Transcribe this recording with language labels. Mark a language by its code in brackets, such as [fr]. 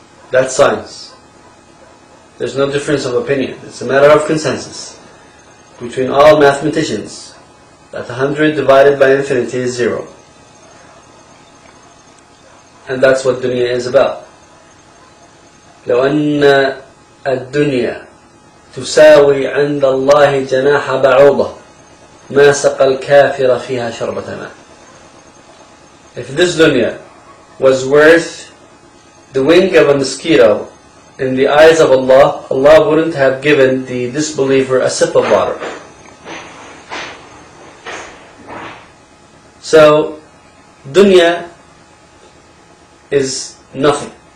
[en] That's science. There's no difference of opinion. It's a matter of consensus between all mathematicians that 100 divided by infinity is zero. And that's what dunya is about. [ar] لو أن الدنيا تساوي عند الله جناح بعوضة ما سقى الكافر فيها شربة ماء. [en] If this dunya was worth the wing of a mosquito in the eyes of Allah, Allah wouldn't have given the disbeliever a sip of water. So, dunya is nothing.